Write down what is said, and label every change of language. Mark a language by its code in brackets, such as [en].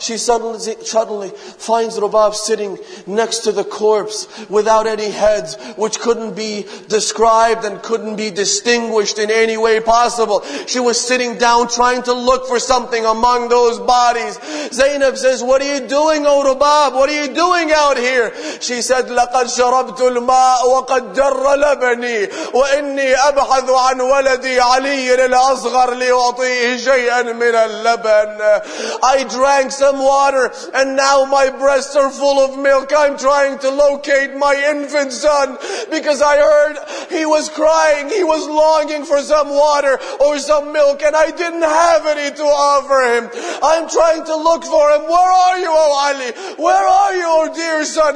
[en] She suddenly finds Rubab sitting next to the corpse without any heads, which couldn't be described and couldn't be distinguished in any way possible. She was sitting down trying to look for something among those bodies. Zainab says, what are you doing, O Rubab? What are you doing out here? She said, [ar] لَقَدْ شَرَبْتُ الْمَاءُ وَقَدْ جَرَّ لَبَنِي وَإِنِّي أَبْحَثُ عَنْ وَلَدِي عَلِيٍّ الْأَصْغَرِ لِيُعْطِيهِ شَيْئًا مِنَ اللَّبَنِ. [en] I drank some water and now my breasts are full of milk. I'm trying to locate my infant son because I heard he was crying. he was longing for some water or some milk and I didn't have any to offer him. I'm trying to look for him. Where are you, O Ali? Where are you, O dear son?